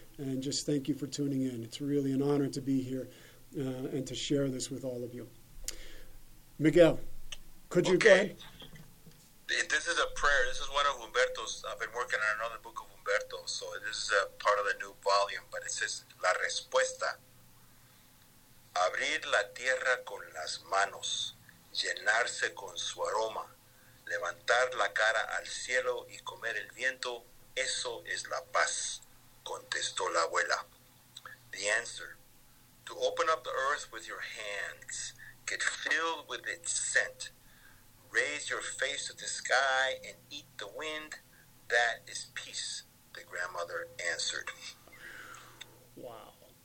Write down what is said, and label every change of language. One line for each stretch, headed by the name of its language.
English: And just thank you for tuning in. It's really an honor to be here and to share this with all of you. Miguel, could you go ahead? This is a prayer. This is one of Humberto's. I've been working on another book of Humberto, so this is a part of the new volume, but it says, La Respuesta.
Spanish: Abrir la tierra con las manos, llenarse con su aroma, levantar la cara al cielo y comer el viento, eso es la paz, contestó la abuela.
English: The answer, to open up the earth with your hands, get filled with its scent, raise your face to the sky and eat the wind. That is peace, the grandmother answered. Wow.